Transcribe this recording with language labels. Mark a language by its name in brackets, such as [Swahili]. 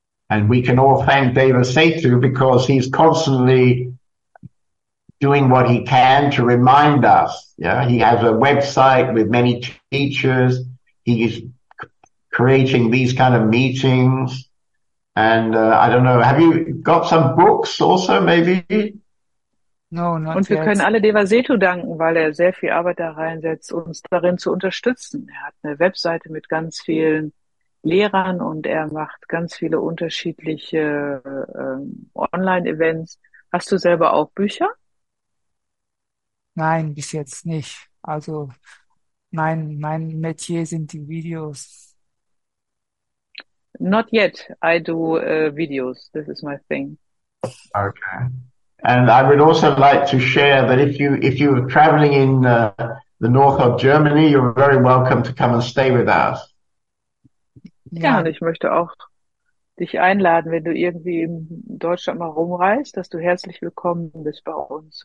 [English] And we can all thank Devasetu because he's constantly doing what he can to remind us. Yeah, he has a website with many teachers. He is creating these kind of meetings. And I don't know, have you got some books also, maybe? No, not yet. [German] Und wir können alle Devasetu danken, weil sehr viel Arbeit da reinsetzt, uns darin zu unterstützen. Hat eine Webseite mit ganz vielen Lehrern und macht ganz viele unterschiedliche Online-Events. Hast du selber auch Bücher? Nein, bis jetzt nicht. Also mein Metier sind die Videos. [English] Not yet. I do videos. This is my thing. Okay. And I would also like to share that if you are traveling in the north of Germany, you're very welcome to come and stay with us. [German] Ja, und ich möchte auch dich einladen, wenn du irgendwie in Deutschland mal rumreist, dass du herzlich willkommen bist bei uns.